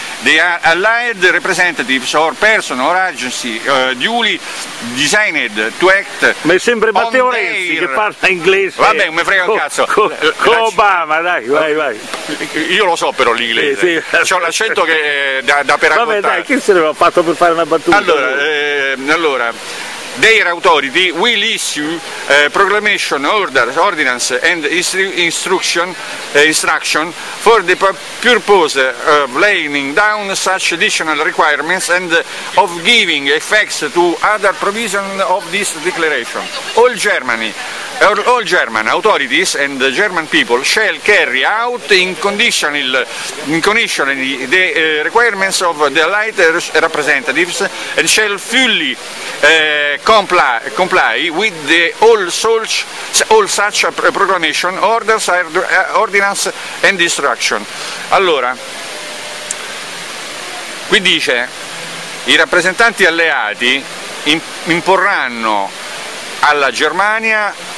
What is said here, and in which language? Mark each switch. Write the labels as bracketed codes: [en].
[en] The Allied representatives or person or agency duly designed to act. [it] Mi sembra Matteo Renzi che parla inglese. Vabbè, non mi frega un cazzo. Obama, dai, vai. Io lo so però l'inglese. Sì. C'ho l'accento che da per raccontare. Vabbè, dai, chi se ne va fatto per fare una battuta? Allora. [en] Their authority will issue proclamation, orders, ordinance and instruction for the purpose of laying down such additional requirements and of giving effects to other provisions of this declaration. All German authorities and the German people shall carry out unconditionally the requirements of the Allied representatives and shall fully comply with the all such proclamation, orders, ordinance and instruction. [it] Allora, qui dice, i rappresentanti alleati imporranno alla Germania